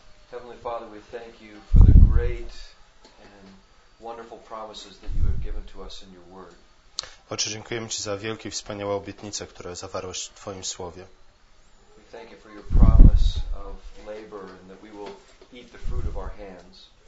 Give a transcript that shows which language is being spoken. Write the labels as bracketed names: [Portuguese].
[English] Heavenly Father, we thank you for the great and wonderful promises that you have given to us in your word. [Polish] Ojcze, dziękujemy ci za wielkie i wspaniałe obietnice, które zawarłeś w twoim słowie. [English] We thank you for your promise of labor and that we will eat the fruit of our hands.